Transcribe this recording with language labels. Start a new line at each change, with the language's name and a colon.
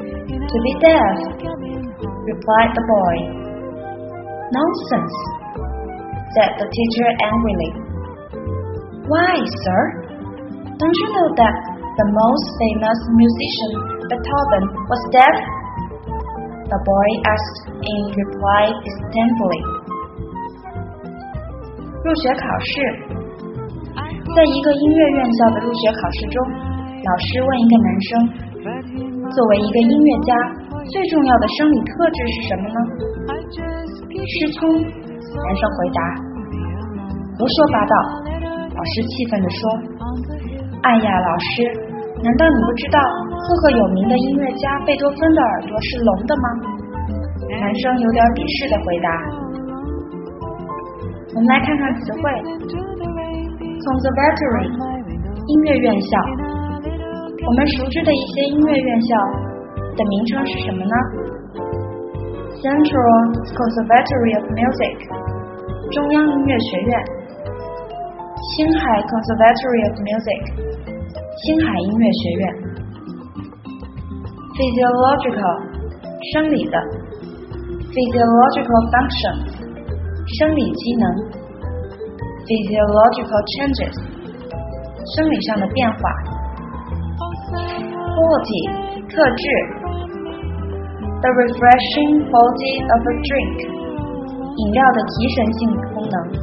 English: To be deaf, replied the boy. Nonsense, said the teacher angrily. Why, sir? Don't you know that the most famous musician, Beethoven, was deaf? The boy asked in reply distantly.
Chinese: 入学考试。在一个音乐院校的入学考试中，老师问一个男生，作为一个音乐家，最重要的生理特质是什么呢？失聪，男生回答。胡说八道，老师气愤地说。哎呀，老师，难道你不知道赫赫有名的音乐家贝多芬的耳朵是聋的吗？男生有点鄙视地回答。我们来看看词汇。Conservatory 音乐院校，我们熟知的一些音乐院校的名称是什么呢？
English: Central Conservatory of Music 中央音乐学院，青海 Conservatory of Music星海音乐学院。
Chinese: Physiological 生理的， Physiological function 生理机能， Physiological changes 生理上的变化。
English: Quality 特质， The refreshing quality of a drink
Chinese: 饮料的提神性功能。